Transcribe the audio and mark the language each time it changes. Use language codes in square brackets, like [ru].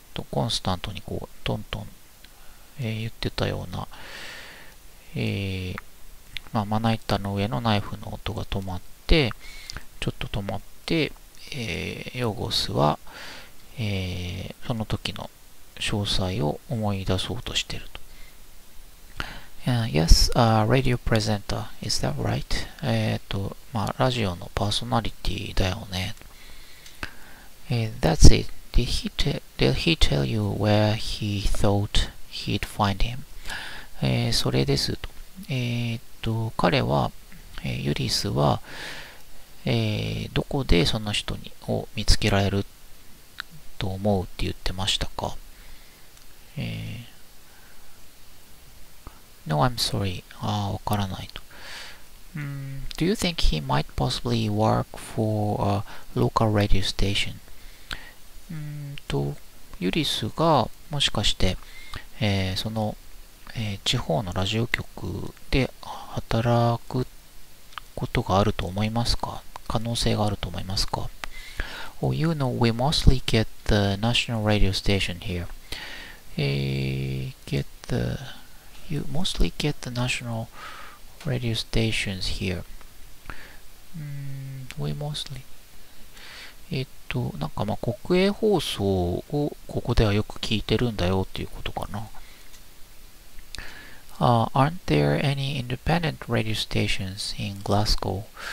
[ja] コンスタントにこう、トントン、言ってたような、まあ、まな板の上のナイフの音が止まって、ちょっと止まって、Yogos は、その時の詳細を思い出そうとしてると。 [en] Yes, a radio presenter, is that right? [ja] まあ、ラジオのパーソナリティだよね。 [en] That's it. Did he tell you where he thought he'd find him? [ja] それですと。彼は、ユリスは、どこでその人にを見つけられると思うって言ってましたか？ [en] No, I'm sorry. [ja] ああ、わからないと。 [en] Do you think he might possibly work for a local radio station? [ja] ユリスがもしかして、その、地方のラジオ局で働くことがあると思いますか？可能性があると思いますか？ [en] Oh, you know, we mostly get the national radio station here. You mostly get the national radio stations here. We mostly. [ja] なんかまあ国営放送をここではよく聞いてるんだよっていうことかな。 [en] Aren't there any independent radio stations in Glasgow?